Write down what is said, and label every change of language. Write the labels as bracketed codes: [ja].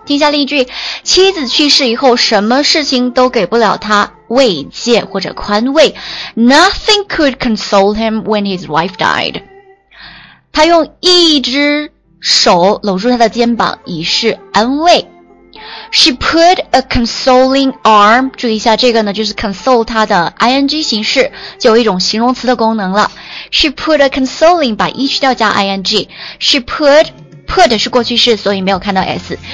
[zh] 听下例句，妻子去世以后，什么事情都给不了他慰藉或者宽慰。 [en] Nothing could console him when his wife died。 [zh] 他用一只手搂住他的肩膀以示安慰。 [en] She put a consoling arm， [zh] 注意一下这个呢，就是 console 它的 ing 形式，就有一种形容词的功能了。 [en] She put a consoling， [zh] 把 e 去掉加 ing。 [en] She put [zh] 是过去式，所以没有看到 s。